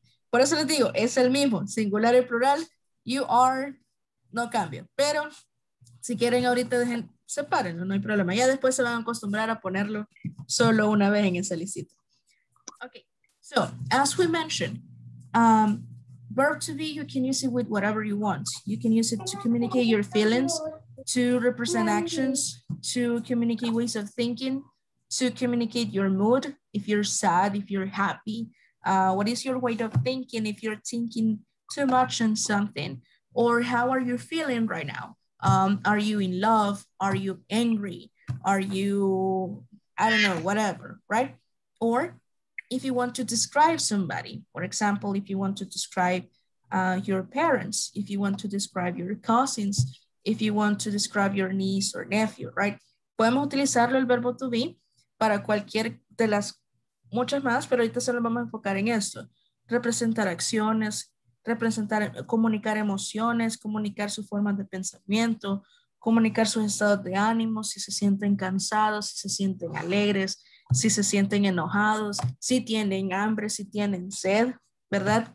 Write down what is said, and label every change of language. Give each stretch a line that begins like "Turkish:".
Spanish: Por eso les digo, es el mismo, singular y plural.
English: You are,
Spanish: no cambia. Pero si quieren ahorita, dejen, sepárenlo, no hay problema. Ya después se van a acostumbrar a ponerlo solo una vez en ese listito. Okay.
English: So, as we mentioned, verb to be, you can use it with whatever you want. You can use it to communicate your feelings, to represent actions, to communicate ways of thinking, to communicate your mood, if you're sad, if you're happy, what is your way of thinking, if you're thinking too much on something, or how are you feeling right now? Are you in love? Are you angry? Are you, I don't know, whatever, right? Or if you want to describe somebody, for example, if you want to describe your parents, if you want to describe your cousins, if you want to describe your niece or nephew, right?
Spanish: Podemos utilizarlo el verbo to be para cualquier de las muchas más, pero ahorita solo vamos a enfocar en esto. Representar acciones, representar, comunicar emociones, comunicar sus formas de pensamiento, comunicar sus estados de ánimo, si se sienten cansados, si se sienten alegres, si se sienten enojados, si tienen hambre, si tienen sed, ¿verdad?